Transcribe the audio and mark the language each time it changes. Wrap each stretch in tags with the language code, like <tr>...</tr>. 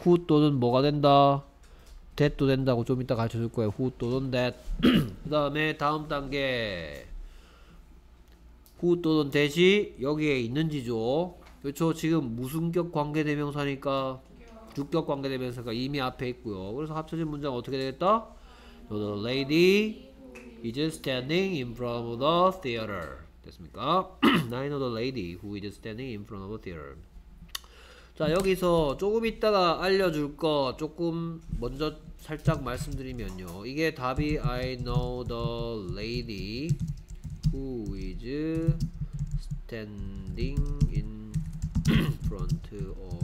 <ko>who 또는 뭐가 된다? that도 된다고 좀 이따 가르쳐줄 거예요. who 또는 that. 그 다음에 다음 단계 who 또는 that이 여기에 있는지죠. 그렇죠? 지금 무슨격 관계대명사니까 주격 관계대명사가 이미 앞에 있고요. 그래서 합쳐진 문장 어떻게 되겠다?</ko> <en>The lady is standing in front of the theater.</en> <ko>됐습니까?</ko> <en>I know the lady who is standing in front of the theater.</en> <ko>자, 여기서 조금 이따가 알려줄 거 조금 먼저 살짝 말씀드리면요. 이게 답이</ko> <en>I know the lady who is standing in front of the theater.</en>